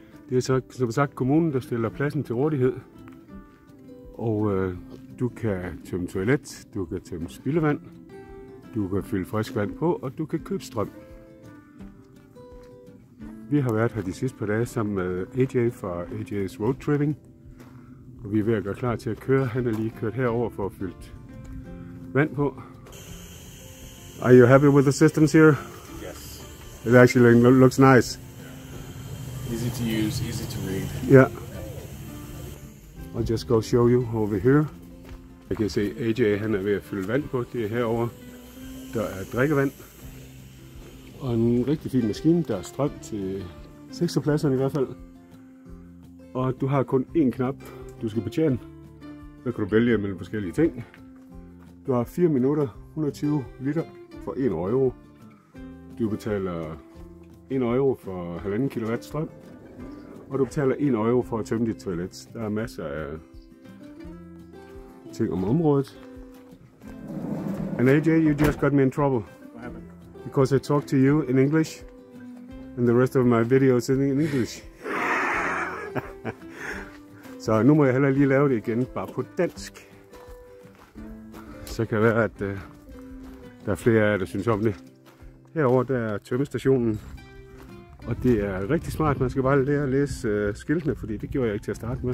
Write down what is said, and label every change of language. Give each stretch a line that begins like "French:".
Danish: Det er så, som sagt, kommunen, der stiller pladsen til rådighed. Og du kan tømme toilet, du kan tømme spildevand, du kan fylde frisk vand på, og du kan købe strøm. Vi har været her de sidste par dage sammen med AJ fra AJ's Road Tripping. Og vi er ved at gøre klar til at køre. Han er lige kørt herover for at fylde vand på.
English: Are you happy with the systems here? Yes. It actually looks nice. Easy to use, easy to read. Yeah. I'll just go show you over here.
Danish: Jeg kan se AJ, han er ved at fylde vand på. Det er herovre. Der er drikkevand. Og en rigtig fin maskine. Der er strøm til 6 pladserne i hvert fald. Og du har kun én knap, du skal betjene. Der kan du vælge mellem forskellige ting. Du har 4 minutter, 120 liter for 1 euro. Du betaler 1 euro for 1,5 kilowatt strøm. Og du betaler 1 euro for at tømme dit toilet. Der er masser af ting om området.
English: And AJ, you just got me in trouble. Because I talked to you in English and the rest of my videos in English.
Danish: Så nu må jeg heller lige lave det igen, bare på dansk. Så kan det være, at der er flere af jer, der synes om det. Herover der er tømmestationen. Og det er rigtig smart, man skal bare lære at læse skiltene, fordi det gjorde jeg ikke til at starte med.